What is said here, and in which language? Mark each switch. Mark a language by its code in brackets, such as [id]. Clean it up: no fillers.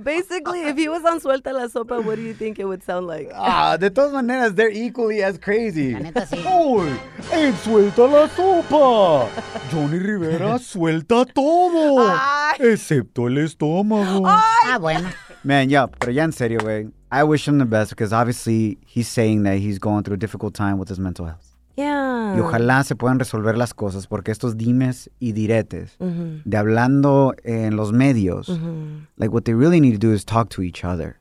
[en] Basically, if he was on Suelta La Sopa, what do you think it would sound like? [es] De todas maneras, [en] they're equally as crazy. [es] La neta, sí. Hoy, en Suelta La Sopa, Johnny Rivera suelta todo. Ay. Excepto el estómago. Ay. Ah, bueno. [en] Man, yeah, [es] pero ya en serio, güey. [en] I wish him the best because obviously he's saying that he's going through a difficult time with his mental health. Yeah. [es] Y ojalá se puedan resolver las cosas porque estos dimes y diretes de hablando en los medios, [en] like what they really need to do is talk to each other.